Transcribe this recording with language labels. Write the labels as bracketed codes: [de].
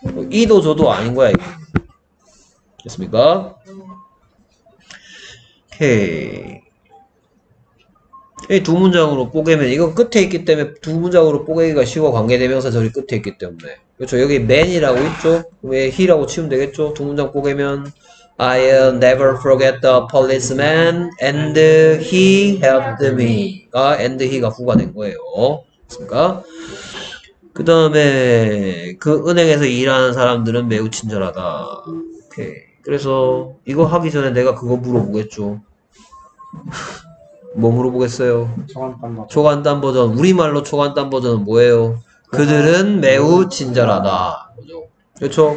[ko] 이도 저도 아닌 거야, 이게. 됐습니까? 이두 문장으로 뽀개면, 이거 끝에 있기 때문에 두 문장으로 뽀개기가 쉬워. 관계대명사 저리 끝에 있기 때문에. 그렇죠. 여기 man이라고 있죠? 왜 he라고 치면 되겠죠? 두 문장 뽀개면. [en] I'll never forget the policeman and he helped me. [ko] 아, and he가 후가 된 거예요. 그렇습니까? 그 다음에, 그 은행에서 일하는 사람들은 매우 친절하다. 오케이. 그래서 이거 하기 전에 내가 그거 물어보겠죠. 뭐 물어보겠어요? 초간단 버전. 우리말로 초간단 버전은 뭐예요? 그들은 매우 친절하다. 그렇죠?